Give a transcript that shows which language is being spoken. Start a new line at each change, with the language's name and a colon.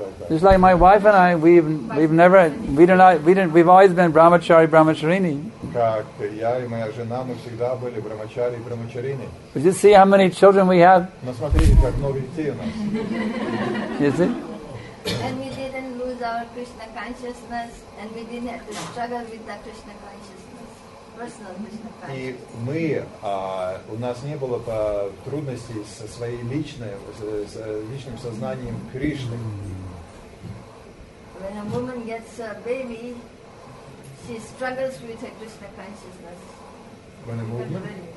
English: Just like my wife and I, we've always been brahmachari, brahmacharini.
Russian: Как я и моя жена, мы всегда были брахмачари и брахмачарини.
English: But you see how many children we have?
Russian: Но смотрите, как много детей у нас.
English: You see? And we didn't lose our Krishna consciousness, and we didn't have to struggle with that Krishna consciousness, personal Krishna consciousness.
Russian: И мы, у нас не было трудностей со своей личной, с личным сознанием Кришны.
English: When a woman gets a baby, she struggles with her Krishna consciousness.